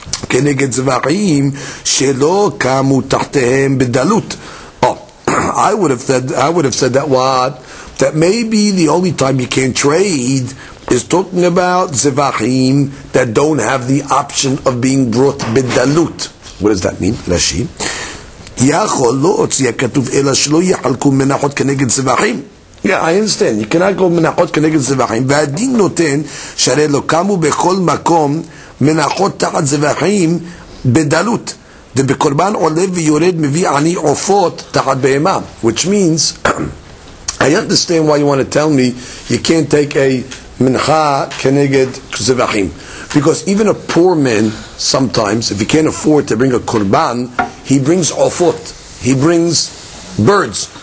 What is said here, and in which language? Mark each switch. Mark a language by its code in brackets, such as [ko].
[he] כנגד זבעים שלא קמו תחתיהם בדלות. [en] Oh, I would have said that what? That maybe the only time you can trade is talking about zevachim that don't have the option of being brought בדלות. What does that mean? Rashi. [he] יכול לא הוציא כתוב אלא שלא יחלקו מנחות כנגד זבעים. [en] Yeah, I understand. You cannot go [he] מנחות כנגד זבעים. והדין נותן שהרי לא קמו בכל מקום מנחות תחת זבחים בדלות, ובקורבן עולה ויורד מביא עני עופות תחת בהמה. [en] Which means, I understand why you want to tell me you can't take a mincha [he] כנגד זבחים. [en] Because even a poor man, sometimes, if he can't afford to bring a korban, he brings עופות, he brings birds.